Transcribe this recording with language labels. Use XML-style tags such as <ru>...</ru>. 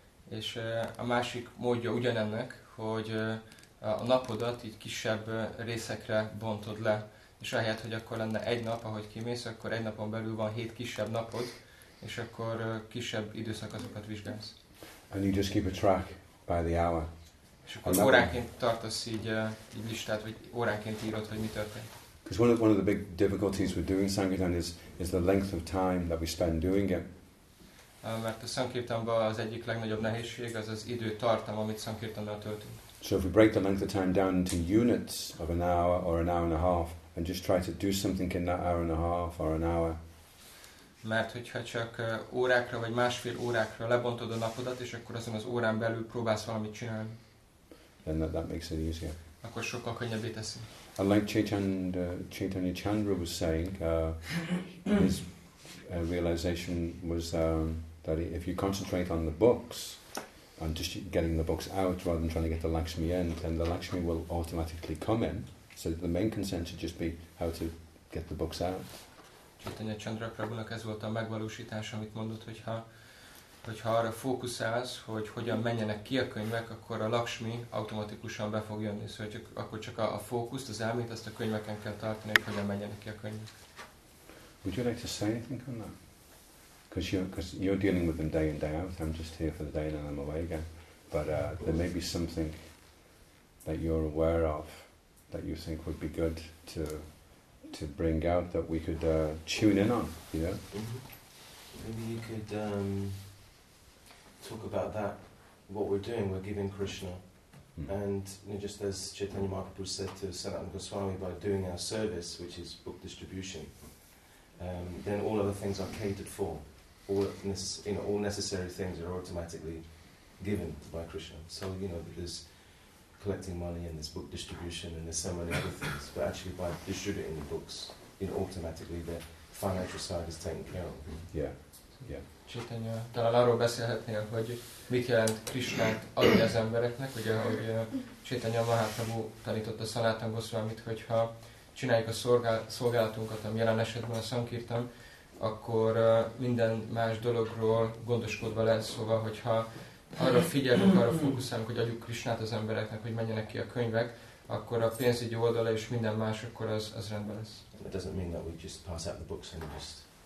<hu>És a másik módja ugyanennek, hogy a napodat így kisebb részekre bontod le. És ahelyett, hogy akkor lenne egy nap, ahogy kimész, akkor egy napon belül van 7 kisebb napod, és akkor kisebb időszakokat vizsgálsz.</hu> <en>And you just keep a track by the hour.</en> <hu>És akkor óránként tartasz így listát, vagy óránként írod, hogy mi történt.</hu> <en>Because one of the big difficulties with doing Sankirtan is the length of time that we spend doing it.</en> <hu>Mert a Sankirtanban az egyik legnagyobb nehézség az időtartam, amit Sankirtannal töltünk.</hu> <en>So if we break the length of time down into units of an hour or an hour and a half, and just try to do something in that hour and a half or an hour.</en> <hu>Mert hogyha csak órákra vagy másfél órákra lebontod a napodat, és akkor azon az órán belül próbálsz valamit csinálni.</hu> <en>Then that makes it easier.</en> <hu>Akkor sokkal könnyebbé teszi.</hu> <en>like Chaitanya Chandra was saying, his realization was that if you concentrate on the books, on just getting the books out rather than trying to get the Lakshmi in, then the Lakshmi will automatically come in. So the main concern should just be how to get the books out.</en> <hu>Chaitanya Chandra Prabhunak ez volt a megvalósítás, amit mondott, hogyha arra fókuszálsz, hogy hogyan menjenek ki a könyvek, akkor a Lakshmi automatikusan be fog jönni. Szóval csak, akkor csak a fókuszt, az elmét, ezt a könyveken kell tartani, hogy hogyan menjenek ki a könyvek.</hu> <en>Would you like to say anything on that? Because you're dealing with them day in, day out. I'm just here for the day and then I'm away again. But there may be something that you're aware of that you think would be good to bring out that we could tune in on, you know? Mm-hmm. Maybe you could talk about that, what we're doing, we're giving Krishna. Mm-hmm. And you know, just as Chaitanya Mahaprabhu said to Sanatana Goswami, by doing our service, which is book distribution, then all other things are catered for. All necessary things are automatically given by Krishna. So, you know, there's collecting money and there's book distribution and there's so many other things. But actually by distributing the books, you know, automatically the financial side is taken care of. Yeah.</en> <hu>Chaitanya talán arról beszélhetnél, hogy mit jelent Krishnát adni az embereknek, ugye, ahogy Chaitanya Mahaprabhu tanította Sanatana Goswamit, hogyha csináljuk a szolgálatunkat, ami jelen esetben a Sankirtan, akkor minden más dologról gondoskodva lesz. Szóval, hogyha arra figyelünk, arra fókuszálunk, hogy adjuk Krisnát az embereknek, hogy menjenek ki a könyvek, akkor a pénzügyi oldala és minden más, akkor az rendben lesz.</hu> <en>It doesn't mean that we just pass out the books and just...</en>